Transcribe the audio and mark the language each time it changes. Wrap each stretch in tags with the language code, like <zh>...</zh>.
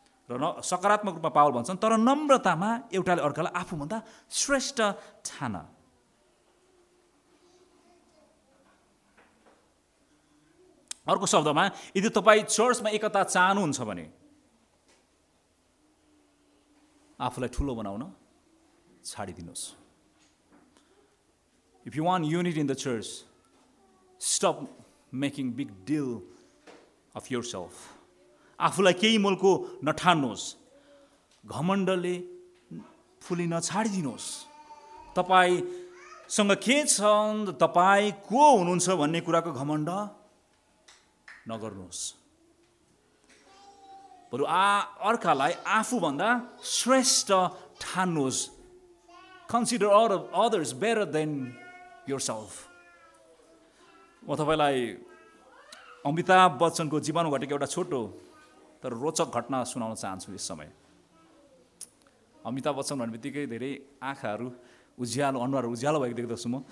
<ne>र सकारात्मक रूपमा पावल भन्छन्, तर नम्रतामा एउटाले अर्कालाई आफूभन्दा श्रेष्ठ ठान। अर्को शब्दमा, यदि तपाईँ चर्चमा एकता चाहनुहुन्छ भने आफूलाई ठुलो बनाउन छाडिदिनुहोस्।</ne> <en>If you want unity in the church, stop making big deal of yourself.</en> <ne>आफूलाई केही मोलको नठान्नुहोस्, घमण्डले फुली नछाडिदिनुहोस्। तपाईँसँग के छ, तपाईँ को हुनुहुन्छ भन्ने कुराको घमण्ड नगर्नुहोस्। बरु अर्कालाई आफूभन्दा Shrestha ठान्नुहोस्।</ne> <en>Consider others better than yourself.</en> <ne>म तपाईँलाई अमिताभ बच्चनको जीवनमा घटेको एउटा छोटो तर रोचक घटना सुनाउन चाहन्छु। यस समय अमिताभ बच्चन भन्ने बित्तिकै धेरै आँखाहरू उज्यालो, अनुहार उज्यालो भएको देख्दछु।</ne>